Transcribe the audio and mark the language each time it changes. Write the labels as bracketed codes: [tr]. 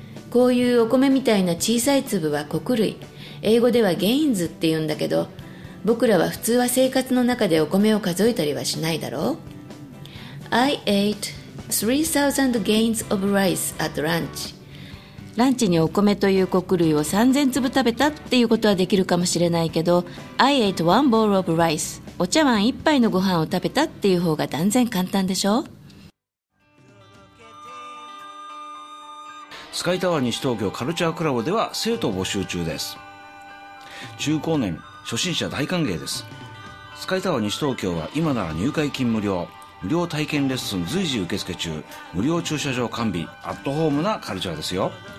[ja] こういうお米みたいな小さい粒は穀類、英語ではゲインズって言うんだけど、僕らは普通は生活の中でお米を数えたりはしないだろう。 [en] I ate 3,000 gains of rice at lunch. [ja] ランチにお米という穀類を3000粒食べたっていうことはできるかもしれないけど [en] I ate one bowl of rice [ja] お茶碗一杯のご飯を食べたっていう方が断然簡単でしょスカイタワー西東京カルチャークラブでは生徒募集中です中高年初心者大歓迎ですスカイタワー西東京は今なら入会金無料無料体験レッスン随時受付中無料駐車場完備アットホームなカルチャーですよ